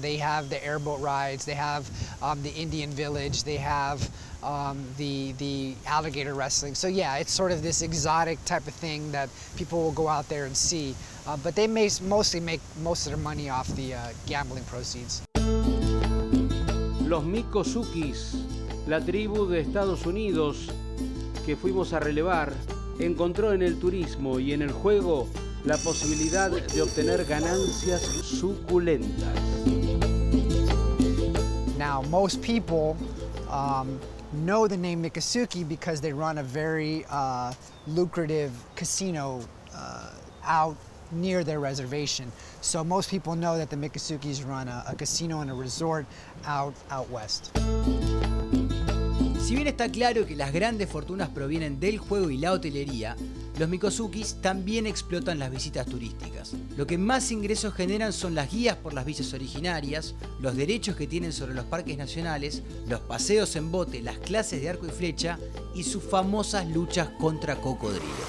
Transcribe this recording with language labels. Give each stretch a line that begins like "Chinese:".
English: They have the airboat rides, they have the Indian village, they have the alligator wrestling. So yeah, it's sort of this exotic type of thing that people will go out there and see. But they mostly make most of their money off the gambling proceeds.
Spanish: Los Miccosukees, la tribu de Estados Unidos que fuimos a relevar, encontró en el turismo y en el juego la posibilidad de obtener ganancias suculentas.
English: Now, most people know the name Miccosukee because they run a very lucrative casino out near their reservation. So most people know that the Miccosukees run a casino and a resort out west.
Spanish: Si bien está claro que las grandes fortunas provienen del juego y la hotelería, los Miccosukees también explotan las visitas turísticas. Lo que más ingresos generan son las guías por las villas originarias, los derechos que tienen sobre los parques nacionales, los paseos en bote, las clases de arco y flecha y sus famosas luchas contra cocodrilos.